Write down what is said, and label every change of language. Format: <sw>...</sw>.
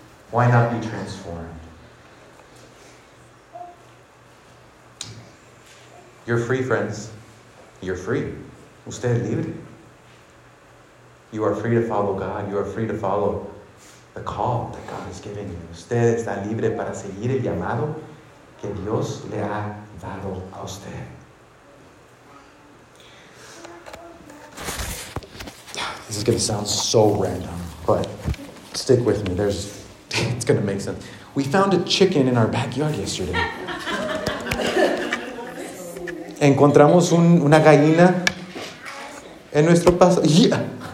<en>Why not be transformed? You're free, friends. You're free.</en> <es>Usted es libre.</es> <en>You are free to follow God. You are free to follow the call that God has given you.</en> <es>Usted está libre para seguir el llamado que Dios le ha dado a usted.</es> <en>This is going to sound so random, but stick with me. It's going to make sense. We found a chicken in our backyard yesterday.</en> <es>Encontramos una gallina en nuestro paso. Yeah.</es>